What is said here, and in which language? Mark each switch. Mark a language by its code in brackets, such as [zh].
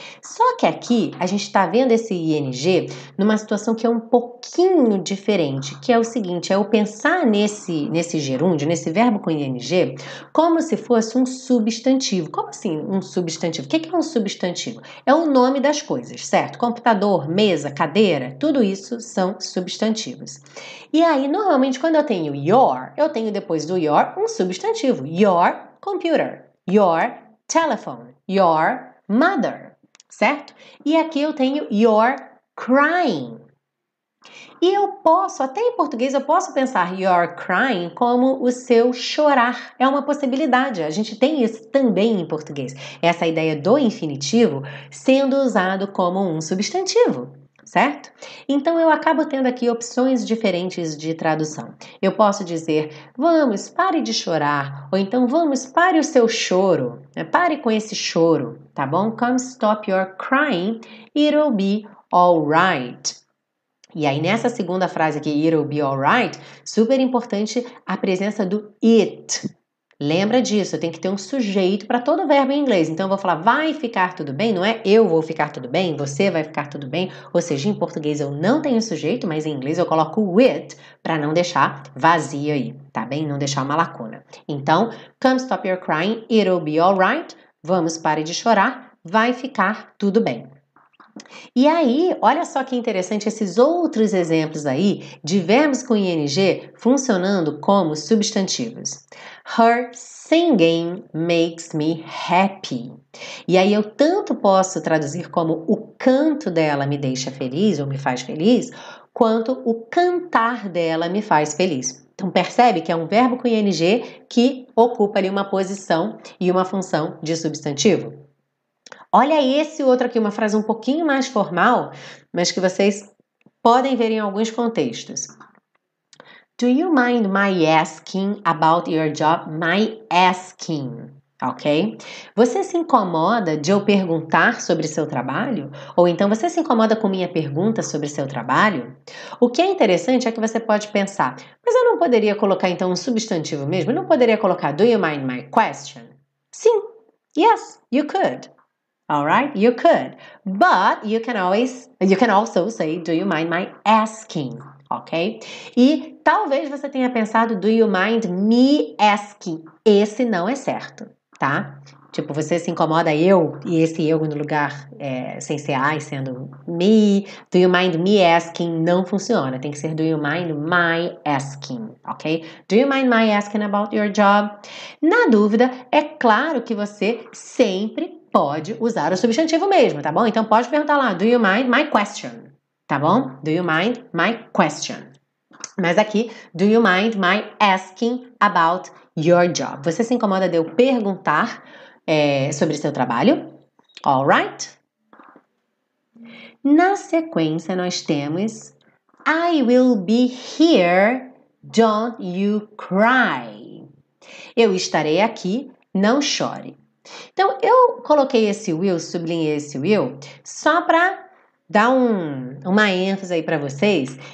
[pt] Só que aqui a gente está vendo esse ing numa situação que é um pouquinho diferente, que é o seguinte, é eu pensar nesse gerúndio, nesse verbo com ing, como se fosse um substantivo. Como assim um substantivo? O que é um substantivo? É o nome das coisas, certo? Computador, mesa, cadeira, tudo isso são substantivos. E aí, normalmente, quando eu tenho your, eu tenho depois do your um substantivo. [en] Your computer, your telephone, your mother. [pt] Certo? E aqui eu tenho [en] you're crying. [pt] E eu posso, até em português, eu posso pensar [en] you're crying [pt] como o seu chorar. É uma possibilidade. A gente tem isso também em português. Essa ideia do infinitivo sendo usado como um substantivo. Certo? Então eu acabo tendo aqui opções diferentes de tradução. Eu posso dizer, vamos, pare de chorar. Ou então, vamos, pare o seu choro. Pare com esse choro, tá bom? [en] Come stop your crying, it'll be alright. [pt] E aí nessa segunda frase aqui, [en] it'll be alright, [pt] super importante a presença do it. Lembra disso, tem que ter um sujeito para todo verbo em inglês. Então, eu vou falar vai ficar tudo bem, não é eu vou ficar tudo bem, você vai ficar tudo bem. Ou seja, em português eu não tenho sujeito, mas em inglês eu coloco it para não deixar vazio aí, tá bem? Não deixar uma lacuna. Então, [en] come stop your crying, it'll be alright. [pt] Vamos, pare de chorar, vai ficar tudo bem. E aí, olha só que interessante esses outros exemplos aí de verbos com ing funcionando como substantivos. [en] Her singing makes me happy. [pt] E aí eu tanto posso traduzir como o canto dela me deixa feliz ou me faz feliz, quanto o cantar dela me faz feliz. Então percebe que é um verbo com ing que ocupa ali uma posição e uma função de substantivo. Olha esse outro aqui, uma frase um pouquinho mais formal, mas que vocês podem ver em alguns contextos. [en] Do you mind my asking about your job? My asking, ok? [pt] Você se incomoda de eu perguntar sobre seu trabalho? Ou então, você se incomoda com minha pergunta sobre seu trabalho? O que é interessante é que você pode pensar, mas eu não poderia colocar então um substantivo mesmo? Eu não poderia colocar [en] do you mind my question? Sim, yes, you could. Alright, you could, but you can also say, do you mind my asking, ok? [pt] E talvez você tenha pensado, [en] do you mind me asking? [pt] Esse não é certo, tá? Tipo, você se incomoda eu e esse eu no lugar sem ser I, sendo me, [en] do you mind me asking? [pt] Não funciona, tem que ser [en] do you mind my asking, [pt] ok? [en] Do you mind my asking about your job? [pt] Na dúvida, é claro que você sempre pode usar o substantivo mesmo, tá bom? Então pode perguntar lá, [en] do you mind my question, [pt] tá bom? [en] Do you mind my question? Mas aqui, do you mind my asking about your job? [pt] Você se incomoda de eu perguntar sobre seu trabalho? [en] All right? Na sequência nós temos, I will be here, don't you cry. [pt] Eu estarei aqui, não chore. Então, eu coloquei esse will, sublinhei esse will, só para dar uma ênfase aí para vocês.